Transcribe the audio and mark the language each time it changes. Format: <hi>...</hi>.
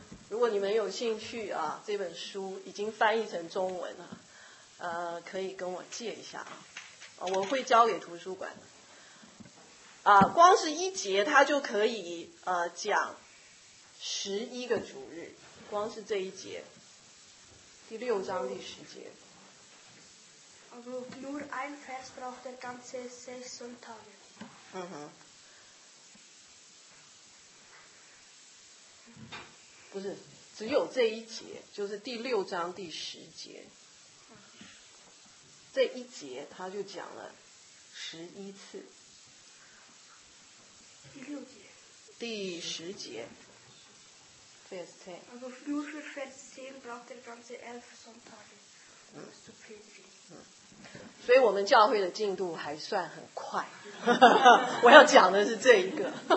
<zh>如果你们有兴趣啊，这本书已经翻译成中文了，可以跟我借一下啊，我会交给图书馆。光是一节他就可以讲11个主日，光是这一节。第六章第十节。</zh> <de>Also nur ein Vers braucht der ganze 6 Sonntage.</de> <zh>嗯哼。不是，只有这一节，就是第六章第十节。这一节他就讲了11次。第六节。第十节。</zh> <de>Also nur für Vers 10 braucht der ganze 11 Sonntage, um es zu predigen.</de> <zh>所以我们教会的进度还算很快。我要讲的是这一个。</zh>